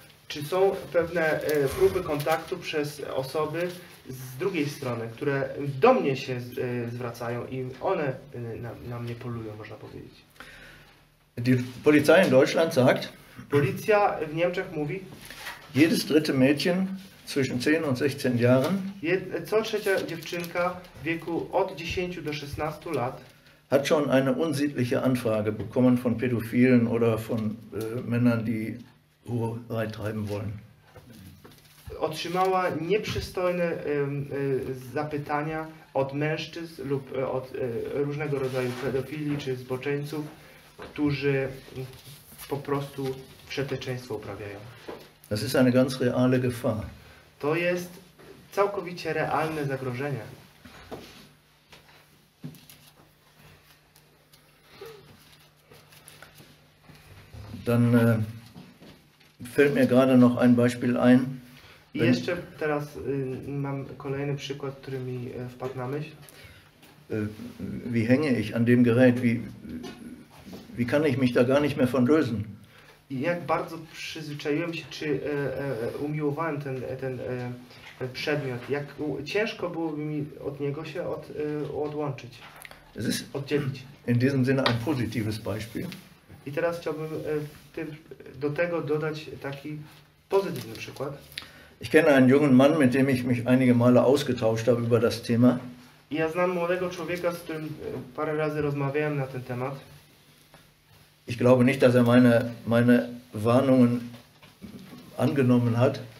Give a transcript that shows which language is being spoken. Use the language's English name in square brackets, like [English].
[Polish] Czy są pewne próby kontaktu przez osoby z drugiej strony, które do mnie się zwracają i one na mnie polują, można powiedzieć. [German] Die Polizei in Deutschland sagt, [Polish] Policja w Niemczech mówi, [German] jedes dritte Mädchen zwischen 10 und 16 Jahren, [Polish] co trzecia dziewczynka w wieku od 10 do 16 lat, [German] hat schon eine unsittliche Anfrage bekommen von Pädophilen oder von Männern, die Hurerei treiben wollen. [Polish] Otrzymała nieprzystojne zapytania od mężczyzn lub od różnego rodzaju pedofilii czy zboczeńców, którzy po prostu przeteczeństwo uprawiają. [German] Das ist eine ganz reale Gefahr. [Polish] To jest całkowicie realne zagrożenie. [German] Dann fällt mir gerade noch ein Beispiel ein. [Polish] I jeszcze teraz mam kolejny przykład, który mi wpadł na myśl. [German] Wie hänge ich an dem Gerät? Wie kann ich mich da gar nicht mehr von lösen? [Polish] jak bardzo przyzwyczaiłem się, czy umiłowałem ten przedmiot, jak ciężko byłoby mi od niego się odłączyć, oddzielić. [German] In diesem Sinne ein positives Beispiel. [Polish] I teraz chciałbym do tego dodać taki pozytywny przykład. [German] Ich kenne einen jungen Mann, mit dem ich mich einige Male ausgetauscht habe über das Thema. [Polish] Ja znam młodego człowieka, z którym parę razy rozmawiałem na ten temat. [German] Ich glaube nicht, dass er meine Warnungen angenommen hat.